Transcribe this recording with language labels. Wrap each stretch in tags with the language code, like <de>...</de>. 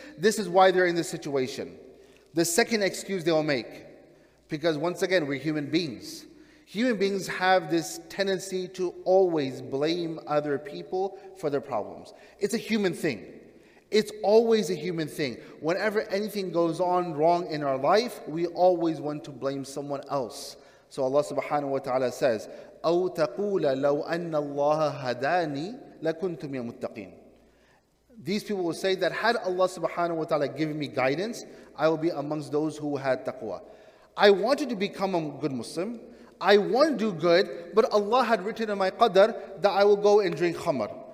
<en>This is why they're in this situation. The second excuse they will make, because once again, we're human beings. Human beings have this tendency to always blame other people for their problems. It's a human thing. It's always a human thing. Whenever anything goes on wrong in our life, we always want to blame someone else. So Allah subhanahu wa ta'ala says,</en> <ar>أَوْ تَقُولَ لَوْ أَنَّ اللَّهَ هَدَانِي لَكُنْتُ مِنَ الْمُتَّقِينَ.</ar> <en>These people will say that had Allah subhanahu wa ta'ala given me guidance, I will be amongst those who had taqwa. I wanted to become a good Muslim. I want to do good, but Allah had written in my qadr that I will go and drink khamar.</en>